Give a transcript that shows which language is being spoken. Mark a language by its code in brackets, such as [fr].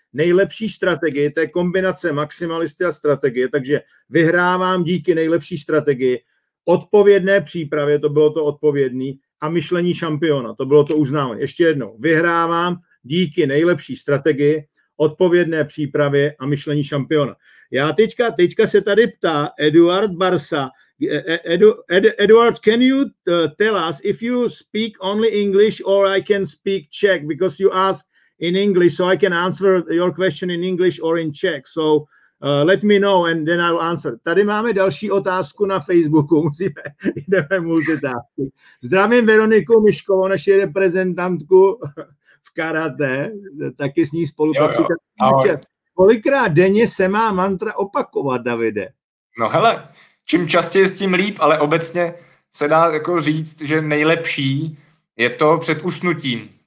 [cs] Nejlepší strategie, to je kombinace maximalisty a strategie, takže vyhrávám díky nejlepší strategii, odpovědné přípravě, to bylo to odpovědný, a myšlení šampiona, to bylo to uznávané. Ještě jednou, vyhrávám díky nejlepší strategii, odpovědné přípravě a myšlení šampiona. Já teďka se tady ptá [en] Eduard Barsa, Eduard, can you tell us if you speak only English or I can speak Czech, because you ask in English, so I can answer your question in English or in Czech. So let me know and then I'll answer. [cs] Tady máme další otázku na Facebooku. Jdeme multitasky. Zdravím Veroniku Miškovou, naši reprezentantku v karate, taky s ní spolupracujeme. Kolikrát denně se má mantra opakovat, Davide? No hele, čím častěji s tím líp, ale obecně se dá jako říct, že nejlepší je to před usnutím.